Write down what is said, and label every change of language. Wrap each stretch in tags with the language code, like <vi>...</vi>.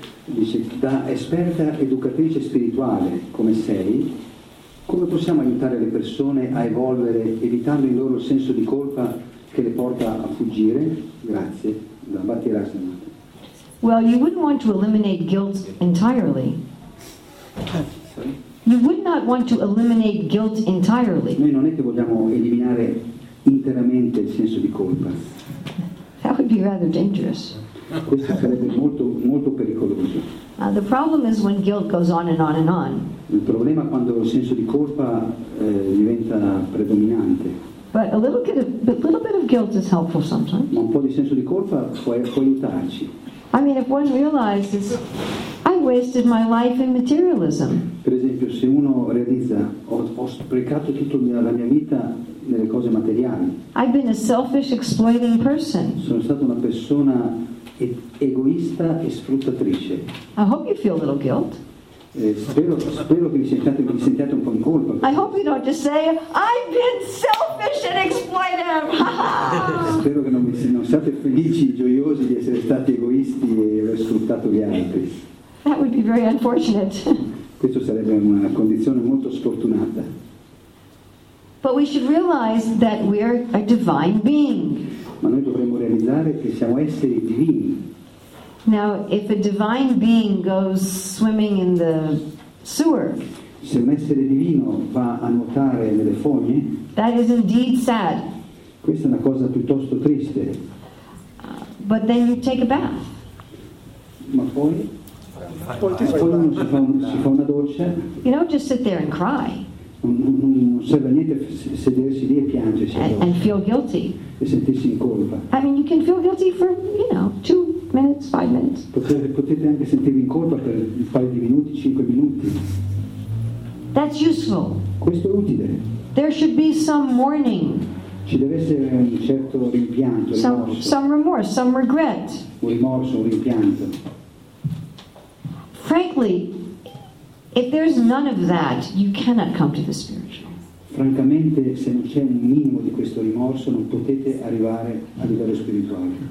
<it>Dice, da esperta educatrice spirituale come sei, come possiamo aiutare le persone a evolvere evitando il loro senso di colpa che le porta a fuggire? Grazie. Da Bhatti Rasana.</it> <en>Well, you wouldn't want to eliminate guilt entirely. You would not want to eliminate guilt entirely.</en> <it>Noi non è che vogliamo eliminare interamente il senso di colpa.</it> <en>That would be rather dangerous.</en> <it>questo sarebbe molto, molto pericoloso.</it> <en>The problem is when guilt goes on and on and on.</en> <it>Il problema è quando il senso di colpa diventa predominante.</it> <en>But a little bit of guilt is helpful sometimes.</en> <it>Ma un po' di senso di colpa può aiutarci.</it> <en>I mean, if one realizes I wasted my life in materialism.</en> <it>Per esempio, se uno realizza ho sprecato tutta la mia vita nelle cose materiali.</it> <en>I've been a selfish, exploiting person.</en> <it>Sono stata una persona egoista e sfruttatrice.</it> <en>I hope you feel a little guilt.</en> <it>Spero che vi sentiate un po' in colpa.</it> <en>I hope you don't just say I've been selfish and exploitive.</en> <it>Spero che non siate felici, gioiosi di essere stati egoisti e aver sfruttato gli altri.</it> <en>That would be very unfortunate.</en> <it>Questo sarebbe una condizione molto sfortunata.</it> <en>But we should realize that we are a divine being.</en> <it>Ma noi dovremmo realizzare che siamo esseri divini.</it> <en>Now, if a divine being goes swimming in the sewer,</en> <it>se un essere divino va a nuotare nelle fogne,</it> <en>that is indeed sad.</en> <it>Questa è una cosa piuttosto triste.</it> <en>But then you take a bath.</en> <it>Ma poi? Poi si fa una doccia.</it> <en>You don't just sit there and cry.</en> <it>Non serve a niente sedersi lì e piangersi.</it> <en>And feel guilty.</en> <it>E sentirsi in colpa.</it> <en>I mean, you can feel guilty for, you know, 2 minutes, 5 minutes.</en> <it>Potete anche sentirvi in colpa per un paio di minuti, 5 minuti.</it> <en>That's useful.</en> <it>Questo è utile.</it> <en>There should be some mourning.</en> <it>Ci deve essere un certo rimpianto, rimorso.</it> <en>Some remorse, some regret.</en> <it>Un rimorso, un rimpianto.</it> <en>Frankly, if there's none of that, you cannot come to the spiritual.</en> <it>Francamente, se non c'è un minimo di questo rimorso, non potete arrivare a livello spirituale.</it>